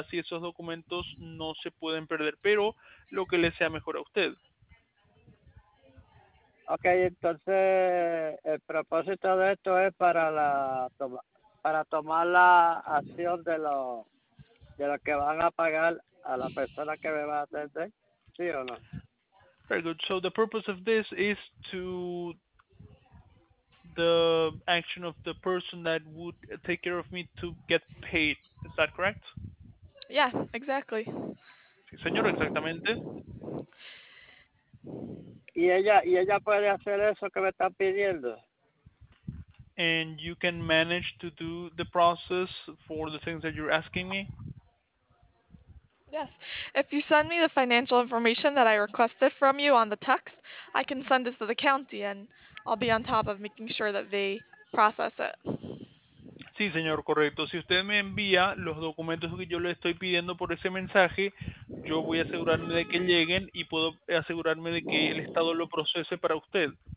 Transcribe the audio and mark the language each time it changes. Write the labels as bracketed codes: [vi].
[es] Así esos documentos no se pueden perder, pero lo que le sea mejor a usted. Okay, entonces el propósito de esto es para tomar la acción de lo que van a pagar a la persona que me va a atender, ¿sí o no? [en] Very good. So the purpose of this is to the action of the person that would take care of me to get paid. Is that correct? Yeah, exactly. [es] Sí, señor, exactamente. Y ella puede hacer eso que me está pidiendo. [en] And you can manage to do the process for the things that you're asking me? Yes. If you send me the financial information that I requested from you on the text, I can send it to the county and I'll be on top of making sure that they process it. [es] Sí, señor, correcto. Si usted me envía los documentos que yo le estoy pidiendo por ese mensaje, yo voy a asegurarme de que lleguen y puedo asegurarme de que el Estado lo procese para usted.